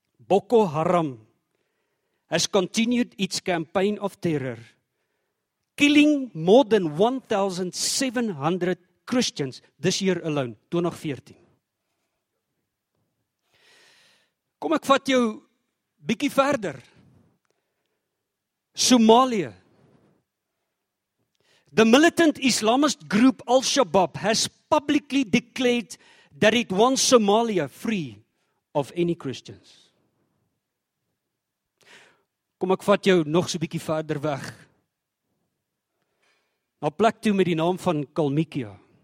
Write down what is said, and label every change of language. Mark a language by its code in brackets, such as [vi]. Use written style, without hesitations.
[en] Boko Haram has continued its campaign of terror, killing more than 1,700 Christians this year alone, 2014. [af] Kom ek vat jou bietjie verder. Somalië. [en] The militant Islamist group Al-Shabaab has publicly declared that it wants Somalia free of any Christians. [af] Kom ek vat jou nog so 'n bietjie verder weg. Na plek toe met die naam van Kalmykia.